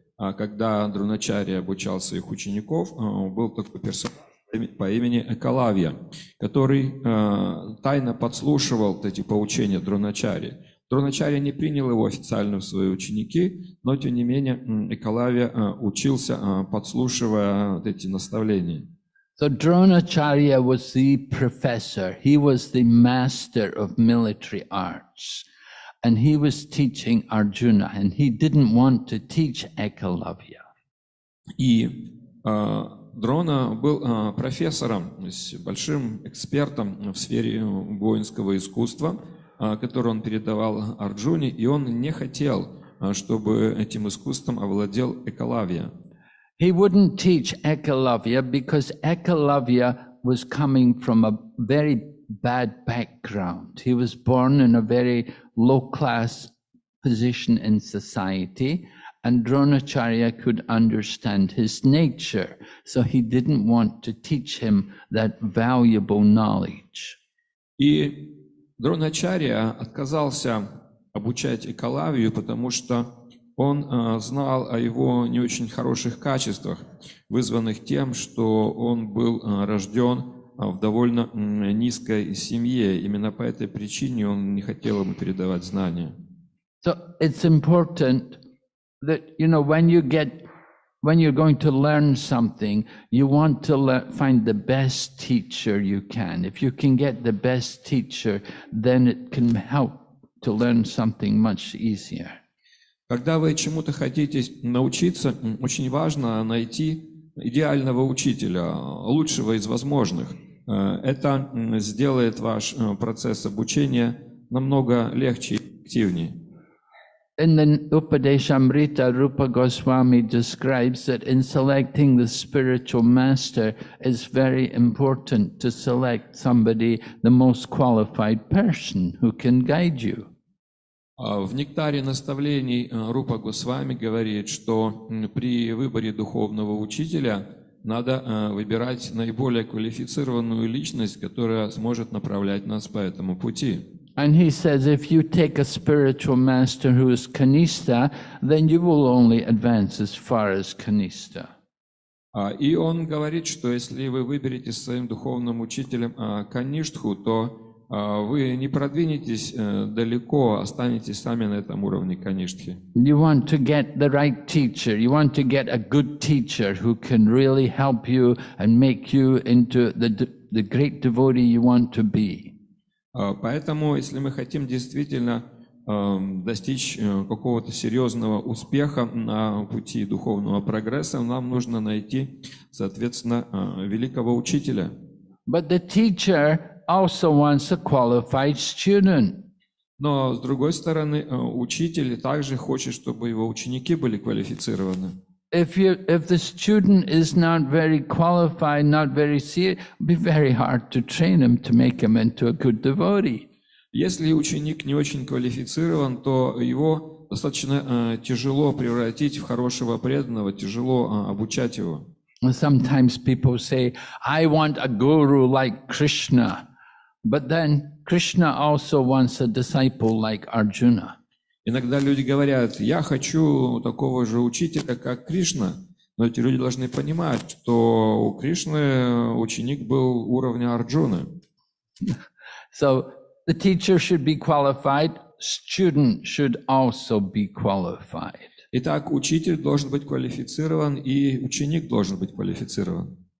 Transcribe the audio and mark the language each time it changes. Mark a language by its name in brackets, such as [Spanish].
[Russian] Когда Дроначарья обучал своих учеников, был такой персонаж по имени Экалавья, который тайно подслушивал эти поучения Дроначарьи. Дроначарья не принял его официально в свои ученики, но тем не менее Экалавья учился, подслушивая эти наставления. [English] So Dronacharya was the professor, he was the master of military arts. And he was teaching Arjuna, and he didn't want to teach Ekalavya. [Russian] И Дрона был профессором, то есть большим экспертом в сфере воинского искусства, который он передавал Арджуне, и он не хотел, чтобы этим искусством овладел Ekalavya. [English] He wouldn't teach Ekalavya because Ekalavya was coming from a very bad background. He was born in a very low-class position in society, and Dronacharya could understand his nature, so he didn't want to teach him that valuable knowledge. [Russian] И Дроначарья отказался обучать Экалавью, потому что он знал о его не очень хороших качествах, вызванных тем, что он был рожден в довольно низкой семье. Именно по этой причине он не хотел ему передавать знания. [English] So it's important that, you know, when you're going to learn something, you want to find the best teacher you can. If you can get the best teacher, then it can help to learn something much easier. [Russian] Когда вы чему-то хотите научиться, очень важно найти идеального учителя, лучшего из возможных. Это сделает ваш процесс обучения намного легче и эффективнее. [English] In the Upadeshamrita, Rupa Goswami describes that in selecting the spiritual master, it's very important to select somebody, the most qualified person who can guide you. [Russian] В нектаре наставлений Рупа Госвами говорит, что при выборе духовного учителя надо выбирать наиболее квалифицированную личность, которая сможет направлять нас по этому пути. [English] And he says, if you take a spiritual master who is Kanista, then you will only advance as far as Kanista. [Russian] И он говорит, что если вы выберете своим духовным учителем Каништху, то вы не продвинетесь далеко, останетесь сами на этом уровне Каништхи. [English] You want to get the right teacher. You want to get a good teacher who can really help you and make you into the great devotee you want to be. [Russian] Поэтому, если мы хотим действительно достичь какого-то серьезного успеха на пути духовного прогресса, нам нужно найти, соответственно, великого учителя. [English] But the teacher also wants a qualified student. [Russian] Но с другой стороны, учитель также хочет, чтобы его ученики были квалифицированы. [English] If the student is not very qualified, not very serious, it'd be very hard to train him to make him into a good devotee. [Russian] Если ученик не очень квалифицирован, то его достаточно тяжело превратить в хорошего преданного, тяжело обучать его. [English] Sometimes people say, I want a guru like Krishna. But then Krishna also wants a disciple like Arjuna. [Russian] Иногда люди говорят, я хочу такого же учителя, как Кришна. Но эти люди должны понимать, что у Кришны ученик был уровня Арджуны. [English] So the teacher should be qualified, student should also be qualified. [Russian] Итак, учитель должен быть квалифицирован, и ученик должен быть квалифицирован.